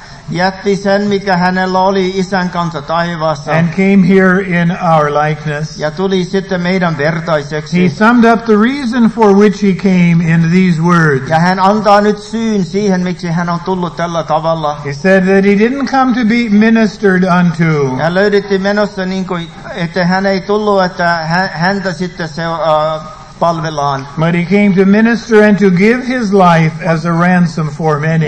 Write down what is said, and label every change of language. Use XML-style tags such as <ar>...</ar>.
<fi>Jätti sen, mikä hänellä oli isän kanssa taivaassa.</fi> <en>And came here in our likeness.</en> <fi>Ja tuli sitten meidän vertaiseksi.</fi> <en>He summed up the reason for which he came in these words.</en> <fi>Ja hän antaa nyt syyn siihen, miksi hän on tullut tällä tavalla.</fi> <en>He said that he didn't come to be ministered unto.</en> <fi>Ja löydetti menossa niin kuin, että hän ei tullut, että häntä sitten se...</fi> <en>But he came to minister and to give his life as a ransom for many.</en>